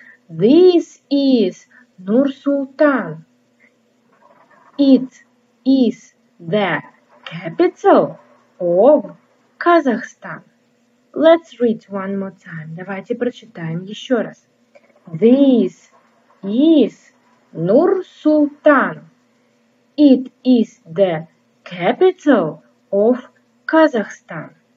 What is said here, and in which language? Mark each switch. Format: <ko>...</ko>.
<en>This is Нур-Султан. It is the capital of Kazakhstan. Let's read one more time.</en> <ru>Давайте прочитаем еще раз.</ru> <en>This is Нур-Султан. It is the capital of Kazakhstan.</en>